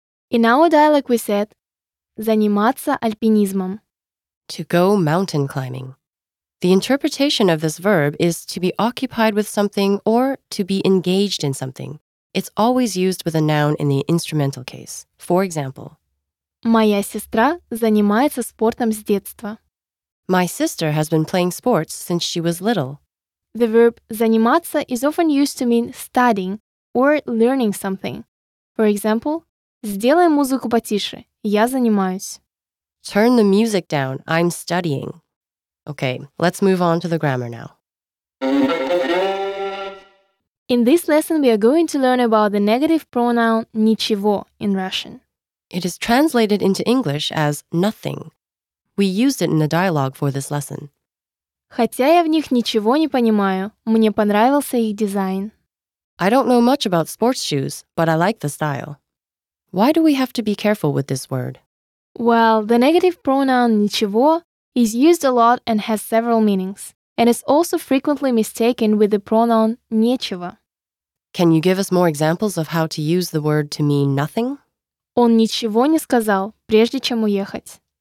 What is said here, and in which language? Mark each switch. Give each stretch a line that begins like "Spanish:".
English: In our dialogue we said
Russian: заниматься альпинизмом.
English: To go mountain climbing. The interpretation of this verb is to be occupied with something or to be engaged in something. It's always used with a noun in the instrumental case. For example,
Russian: моя сестра занимается спортом с детства.
English: My sister has been playing sports since she was little. The verb заниматься is often used to mean studying or learning something. For example,
Russian: сделай музыку потише, я занимаюсь.
English: Turn the music down, I'm studying. Okay, let's move on to the grammar now. In this lesson, we are going to learn about the negative pronoun ничего in Russian. It is translated into English as nothing. We used it in the dialogue for this lesson.
Russian: Хотя я в них ничего не понимаю, мне понравился их дизайн.
English: I don't know much about sports shoes, but I like the style. Why do we have to be careful with this word? Well, the negative pronoun ничего is used a lot and has several meanings, and is also frequently mistaken with the pronoun нечего. Can you give us more examples of how to use the word to mean nothing?
Russian: Он ничего не сказал, прежде чем уехать.